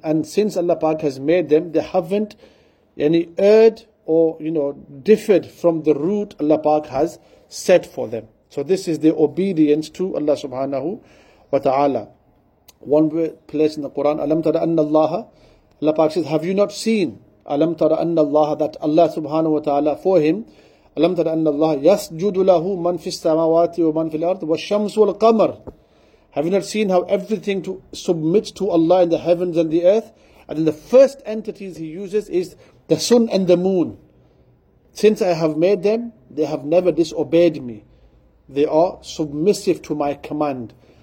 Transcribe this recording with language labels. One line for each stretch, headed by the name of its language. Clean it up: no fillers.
English: And since Allah Pak has made them, they haven't any erred or differed from the route Allah Pak has set for them. So this is the obedience to Allah subhanahu wa ta'ala. One place in the Quran,
Arabic: Alam tara anna Allah,
English: Allah Pak says, have you not seen?
Arabic: Alam tara anna Allah,
English: that Allah subhanahu wa ta'ala for him,
Arabic: أَلَمْ تَرَ أَنَّ اللَّهَ يَسْجُدُ لَهُ مَنْ فِي السَّمَاوَاتِ وَمَنْ فِي الْأَرْضِ وَالشَّمْسُ وَالْقَمَرُ.
English: Have you not seen how everything submits to Allah in the heavens and the earth? And then the first entities He uses is the sun and the moon. Since I have made them, they have never disobeyed me. They are submissive to my command.